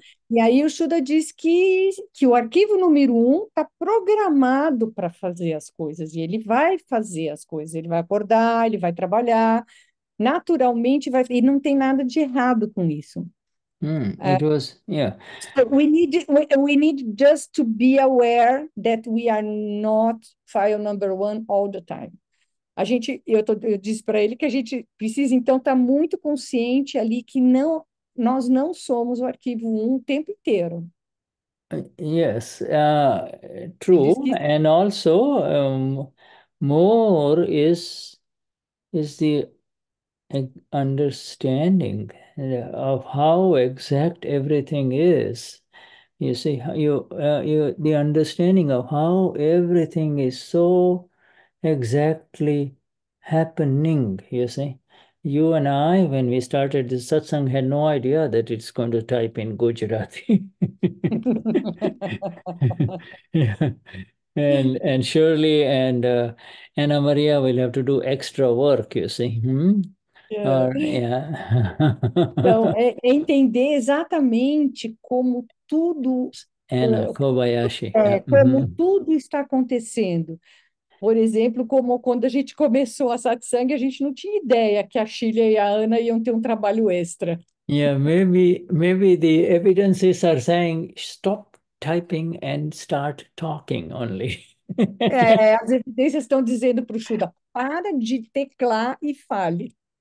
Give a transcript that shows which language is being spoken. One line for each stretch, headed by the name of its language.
Portuguese: E aí o Shuddha diz que o arquivo número um está programado para fazer as coisas, e ele vai fazer as coisas, ele vai acordar, ele vai trabalhar, naturalmente, vai, e não tem nada de errado com isso.
English: So we need just to be aware that we are not file number one all the time.
Portuguese: Eu disse para ele que a gente precisa então estar muito consciente ali que não, nós não somos o arquivo um o tempo inteiro.
English: Yes,
Portuguese: Ele
English: true,
Portuguese: disse que
English: and also more is the understanding of how exact everything is. You see, the understanding of how everything is so exactly happening, you see. You and I, when we started this satsang, had no idea that it's going to type in Gujarati. And Shirley and Anna Maria will have to do extra work, you see.
Portuguese: Então, é entender exatamente como tudo Anna Kobayashi. Como tudo está acontecendo. Por exemplo, como quando a gente começou a satsang, a gente não tinha ideia que a Shirley e a Ana iam ter um trabalho extra.
English: Yeah, maybe the evidences are saying stop typing and start talking only.
Portuguese: As evidências estão dizendo para o Shuddha, para de teclar e fale.